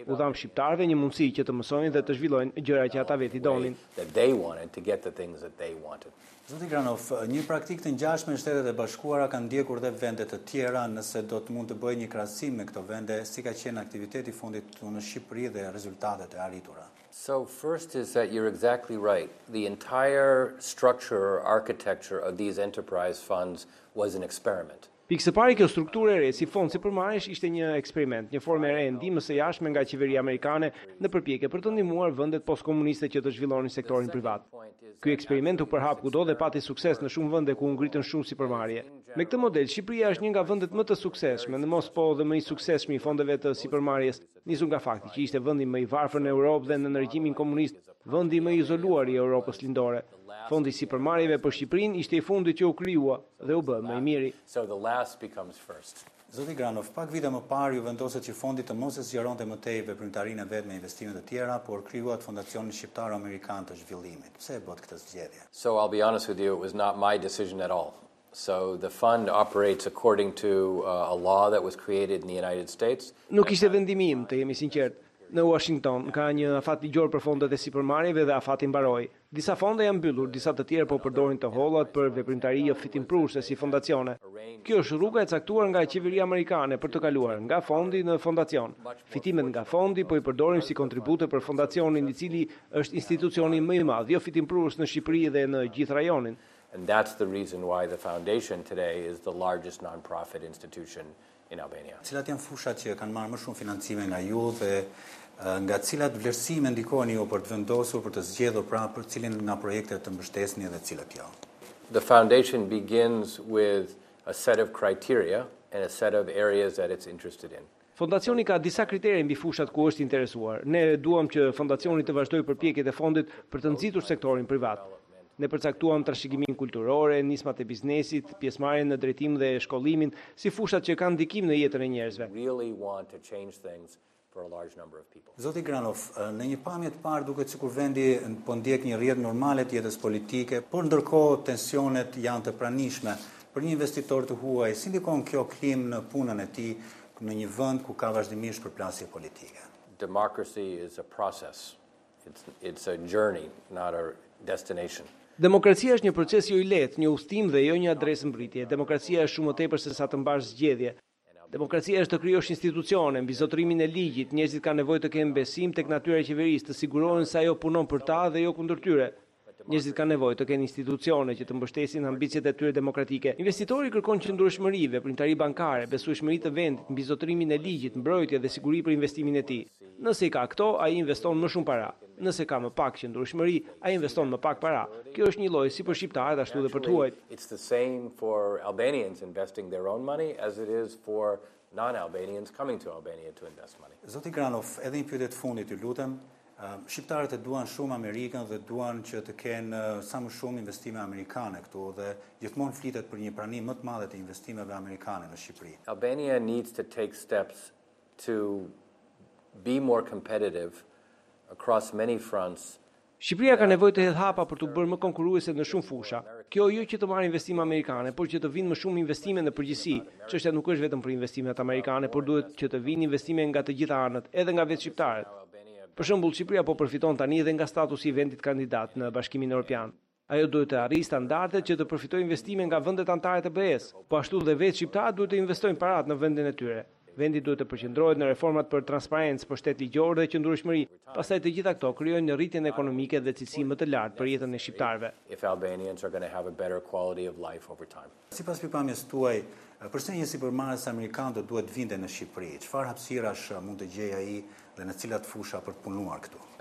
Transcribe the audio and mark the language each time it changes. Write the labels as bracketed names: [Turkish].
[Albanian] U dham shqiptarëve një mundësi që të mësonin dhe të zhvillojnë gjëra që ata veti donin. Zoti Granoff, një praktikë të ngjashme në Shtetet e Bashkuara ka ndjekur dhe vende të tjera, nëse do të mund të bëjë një krahasim me këto vende, si ka qenë aktiviteti i fondit këtu në Shqipëri dhe rezultatet e arritura. [English] So first is that you're exactly right. The entire structure or architecture of these enterprise funds was an experiment. [Albanian] Pikë së pari, kjo strukturë e re si fond sipërmarrësh ishte një eksperiment, një formë e re ndihmës së jashtme nga qeveria amerikane në përpjekje për të ndihmuar vendet postkomuniste që të zhvillonin sektorin privat. Ky eksperiment u përhap kudo dhe pati sukses në shumë vende ku u ngritën shumë sipërmarrje. Me këtë model, Shqipëria është një nga vendet më të suksesshme, në mos po dhe më i suksesshmi i fondeve të sipërmarrjes, nisur nga fakti që ishte vendi më i varfër në Europë dhe në ndërgjimin komunist, vendi më i izoluar i Europës lindore. Fondi i sipërmarrjeve për Shqipërinë ishte i fundit që u krijua dhe u bë më i miri. Zoti Granoff, pak vite më parë ju vendoset që fondi të mos e zgjeronte më tej veprimtarinë vetë me investime të tjera, por krijuat Fondacionin Shqiptaro-Amerikan të Zhvillimit. Pse e bët këtë zgjedhje? [English] So I'll be honest with you, it was not my decision at all. So the fund operates according to a law that was created in the United States. [Albanian] Nuk ishte vendimi im, të jemi sinqertë. në Washington, ka një afat ligjor për fondet e supermarketeve dhe afati mbaroi. Disa fonde janë mbyllur, disa të tjerë po përdorin të hollat për veprimtari jo fitimprurëse si fondacione. Kjo është rruga e caktuar nga qeveria amerikane për të kaluar nga fondi në fondacion. Fitimet nga fondi po i përdorim si kontribute për fondacionin i cili është institucioni më i madh jo fitimprurës në Shqipëri dhe në gjithë rajonin. [English] And that's the reason why the foundation today is the largest non-profit institution in Albania. [Albanian] Cilat janë fushat që kanë marrë më shumë financime nga ju dhe nga cilat vlerësime ndikoheni ju për të vendosur, për të zgjedhur pra për cilin nga projektet të mbështesni dhe cilat jo? [English] The foundation begins with a set of criteria and a set of areas that it's interested in. [Albanian] Fondacioni ka disa kritere mbi fushat ku është interesuar. Ne duam që fondacioni të vazhdojë përpjekjet e fondit për të nxitur sektorin privat. Ne përcaktuam trashëgiminë kulturore, nismat e biznesit, pjesëmarrjen në drejtim dhe shkollimin, si fushat që kanë ndikim në jetën e njerëzve. Zoti Granov, në një pamje të parë duket sikur vendi po ndjek një rrjedh normale të jetës politike, por ndërkohë tensionet janë të pranishme. Për një investitor të huaj, si ndikon kjo klimë në punën e tij në një vend ku ka vazhdimisht përplasje politike? [English] Democracy is a process. It's a journey, not a destination. [Albanian] Demokracia është një proces jo i lehtë, një udhtim dhe jo një adresë mbritje. Demokracia është shumë më tepër se sa të mbash zgjedhje. Demokracia është të krijosh institucione, mbi zotërimin e ligjit, njerëzit kanë nevojë të kenë besim tek natyra e qeverisë, të sigurohen se ajo punon për ta dhe jo kundër tyre. Njerëzit kanë nevojë të kenë institucione që të mbështesin ambicjet e tyre demokratike. Investitori kërkon qëndrueshmëri, veprimtari bankare, besueshmëri të vendit, mbi zotërimin e ligjit, mbrojtje dhe siguri për investimin e tij. Nëse i ka këto, ai investon më shumë para. Nëse ka më pak qëndrueshmëri, ai investon më pak para. Kjo është një lloj si për shqiptarët ashtu edhe për tuajt. [English] It's the same for Albanians investing their own money as it is for non-Albanians coming to Albania to invest money. [Albanian] Zoti Granov, edhe një pyetje të fundit ju lutem. Shqiptarët e duan shumë Amerikën dhe duan që të kenë sa më shumë investime amerikane këtu dhe gjithmonë flitet për një pranim më të madhe të investimeve amerikane në Shqipëri. [English] Albania needs to take steps to be more competitive across many fronts. [Albanian] Shqipëria ka nevojë të hedh hapa për të bërë më konkurruese në shumë fusha. Kjo jo që të marrë investime amerikane, por që të vinë më shumë investime në përgjithësi. Çështja nuk është vetëm për investimet amerikane, por duhet që të vinë investime nga të gjitha anët, edhe nga vetë shqiptarët. Për shembull, Shqipëria po përfiton tani edhe nga statusi i vendit kandidat në Bashkimin Evropian. Ajo duhet të arrijë standardet që të përfitojë investime nga vendet anëtare të BE-s. Po ashtu dhe vetë shqiptarët duhet të investojnë paratë në vendin e tyre. Vendi duhet të përqendrohet në reformat për transparencë, për shtet ligjor dhe qëndrueshmëri. Pastaj të gjitha këto krijojnë një rritje ekonomike dhe cilësi më të lartë për jetën e shqiptarëve. [English] If Albanians are going to have a better quality of life over time. [Albanian] Sipas pamjes tuaj, përse një supermarket amerikan do duhet vinte në Shqipëri? Çfarë hapësirash mund të gjejë ai dhe në cilat fusha për të punuar këtu?